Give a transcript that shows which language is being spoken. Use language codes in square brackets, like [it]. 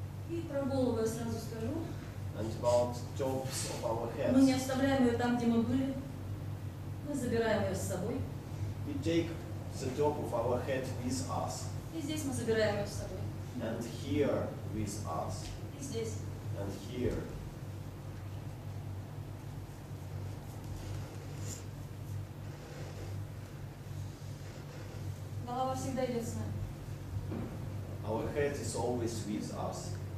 [ru] И про голову я сразу скажу. [en] And about tops of our heads. [ru] Мы не оставляем ее там, где мы были. Мы забираем ее с собой. [en] We take the top of our head with us. [ru] И здесь мы забираем ее с собой. [en] And here with us. [ru] Здесь. [en] And here. [ru] Голова всегда идет с нами. [en] Our head is always with us.